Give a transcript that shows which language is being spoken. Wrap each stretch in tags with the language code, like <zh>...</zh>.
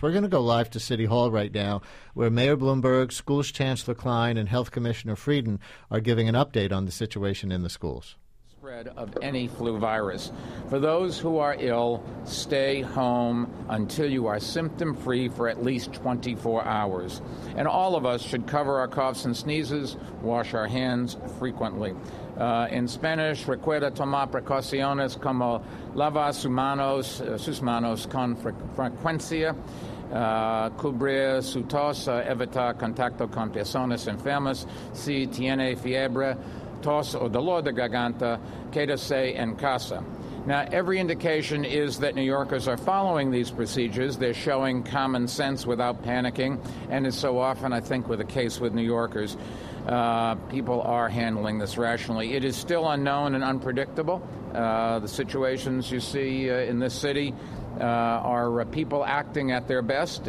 <en>We're going to go live to City Hall right now, where Mayor Bloomberg, Schools Chancellor Klein, and Health Commissioner Frieden are giving an update on the situation in the schools. Spread of any flu virus. For those who are ill, stay home until you are symptom-free for at least 24 hours. And all of us should cover our coughs and sneezes, wash our hands frequently. In Spanish,</en> <es>recuerda tomar precauciones como lavar sus manos con frecuencia. cubrir su tos, evitar contacto con personas enfermas. Si tiene fiebre, tos o dolor de garganta, quédese en casa.</es> <en>Now, every indication is that New Yorkers are following these procedures. They're showing common sense without panicking. And as so often, I think, with a case with New Yorkers, people are handling this rationally. It is still unknown and unpredictable. The situations you see in this city are people acting at their best.</en>